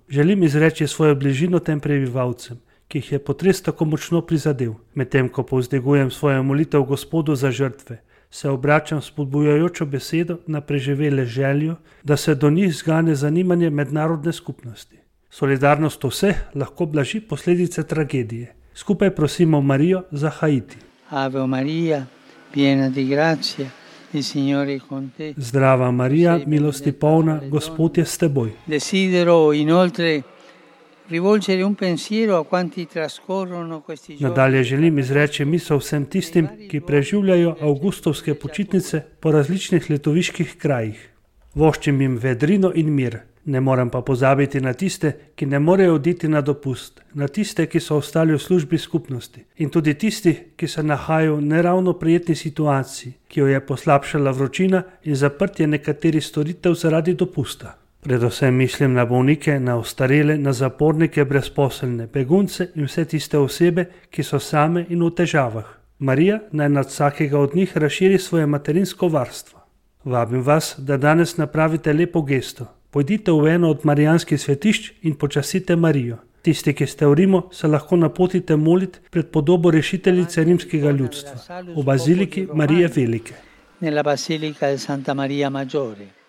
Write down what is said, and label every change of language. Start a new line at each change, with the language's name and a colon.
Slovenian: Želim izreči svojo bližino tem prebivalcem, ki jih je potres tako močno prizadel. Medtem ko povzdigujem svojo molitev Gospodu za žrtve, se obračam spodbujajočo besedo na preživele željo, da se do njih zgane zanimanje mednarodne skupnosti. Solidarnost vseh lahko blaži posledice tragedije. Skupaj prosimo Marijo za Haiti.
Italian: Ave Maria, piena di grazia, il Signore è con te.
Slovenian: Zdrava Maria, milosti polna, Gospod je s teboj.
Italian: Desidero inoltre rivolgere un pensiero a quanti trascorrono questi giorni.
Slovenian: Nadalje želim izreči misel vsem tistim, ki preživljajo avgustovske počitnice po različnih letoviških krajih. Voščim jim vedrino in mir. Ne morem pa pozabiti na tiste, ki ne morejo oditi na dopust, na tiste, ki so ostali v službi skupnosti in tudi tisti, ki se nahajajo v neravno prijetni situaciji, ki jo je poslabšala vročina in zaprtje nekaterih storitev zaradi dopusta. Predvsem mislim na bolnike, na ostarele, na zapornike, brezposelne, begunce in vse tiste osebe, ki so same in v težavah. Marija naj nad vsakega od njih razširi svoje materinsko varstvo. Vabim vas, da danes napravite lepo gesto. Pojdite v eno od marijanskih svetišč in počasite Marijo. Tisti, ki ste v Rimu, se lahko napotite molit pred podobo rešiteljice rimskega ljudstva, v Baziliki Marije Velike.
Italian: Nella Basilica di Santa Maria Maggiore.